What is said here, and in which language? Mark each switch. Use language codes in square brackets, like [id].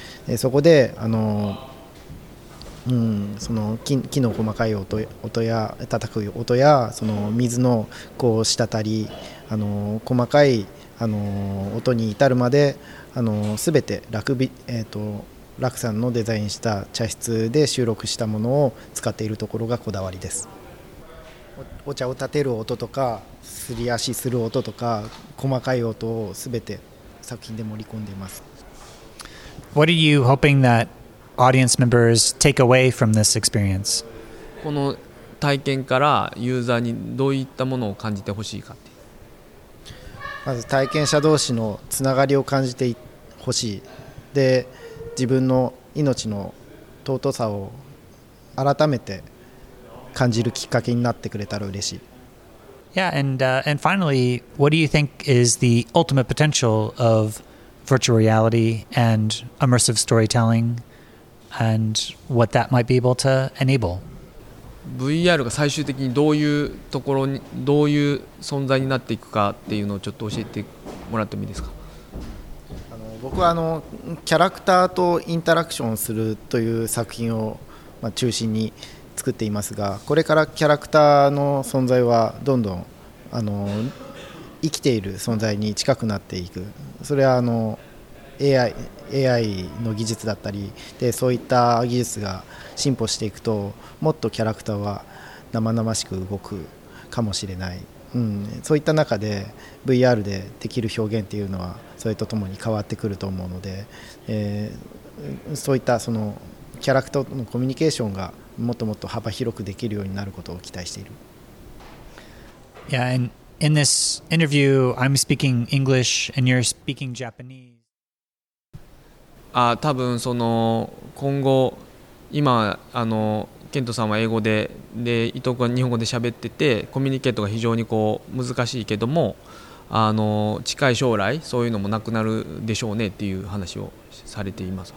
[ja] でそこであの、うん、その 木の細かい 音や叩く音や、その水のこう滴り、あの細かいあの音に至るまで、あの全て楽さんのデザインした茶室で収録したものを使っているところがこだわりです。お茶を立てる音とか、すり足する音とか、細かい音を全て作品で盛り込んでいます。 [en] What are you hoping that audience members take away from this experience? [ja] この体験からユーザーにどういったものを感じてほしいか。まず体験者同士のつながりを感じてほしい。で、自分の命の尊さを改めて感じるきっかけになってくれたら嬉しい。 [en] Yeah, and finally, what do you think is the ultimate potential of virtual reality and immersive storytelling and what that might be able to enable? [ja] VR が最終的にどういうところに、どういう存在になっていくかっていうのをちょっと教えてもらってもいいですか。あの僕はあのキャラクターとインタラクションするという作品を、まあ、中心に作っていますが、これからキャラクターの存在はどんどんあの生きている存在に近くなっていく。それはあの AI の技術だったりで、そういった技術が進歩していくと、もっとキャラクターは生々しく動くかもしれない、うん、そういった中で VR でできる表現っていうのはそれとともに変わってくると思うので、そういったそのキャラクターとのコミュニケーションがもっともっと幅広くできるようになることを期待している。 [en] Yeah, and in this interview I'm speaking English and you're speaking Japanese. [ja] 多分その今後今あのケントさんは英語 で伊藤君は日本語で喋ってて、コミュニケートが非常にこう難しいけども、あの近い将来そういうのもなくなるでしょうねっていう話をされています。